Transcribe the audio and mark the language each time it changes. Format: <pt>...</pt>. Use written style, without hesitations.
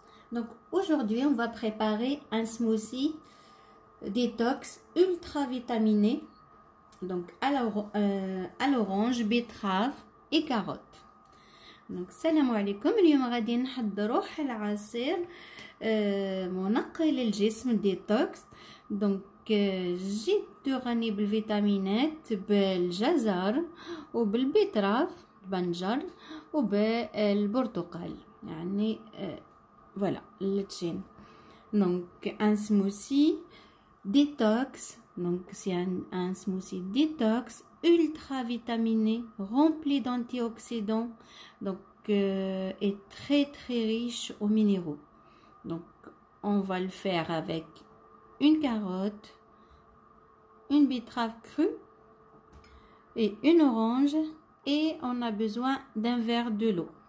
<fr>Donc aujourd'hui, on va préparer un smoothie détox ultra vitaminé, donc à l'orange, betterave et carotte.</fr> <ar>Donc salam alaykoum, اليوم غادي نحضروا العصير منقي للجسم détox.</ar> <fr>Donc j'ai tourné</fr> <ar>بالفيتامينات بالجزر وبالبيتراف بنجر وبالبرتقال. يعني voilà التشين.</ar> <fr>Donc un smoothie détox, donc c'est un smoothie détox ultra vitaminé rempli d'antioxydants, donc est très très riche aux minéraux. Donc on va le faire avec une carotte, une betterave crue et une orange, et on a besoin d'un verre de l'eau.</fr>